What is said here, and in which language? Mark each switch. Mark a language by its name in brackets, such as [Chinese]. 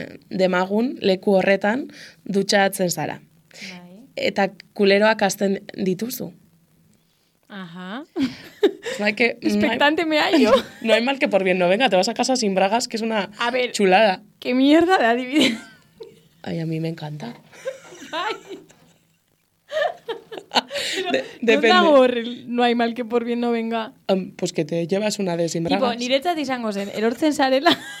[Basque] demagun leku horretan dutxatzen zara. Bai. Eta kuleroak hasten dituzu. Aha. [Spanish] Espectante me hallo. No hay mal que por bien no venga, te vas a casa sin bragas, que es una a ver, chulada. Qué mierda de adivinar. Ay, a mí me encanta. Ay. Depende. No hay mal que por bien no venga. Pues que te llevas una de sin bragas. [Basque] Tipo, niretzat izango zen, erortzen zarela.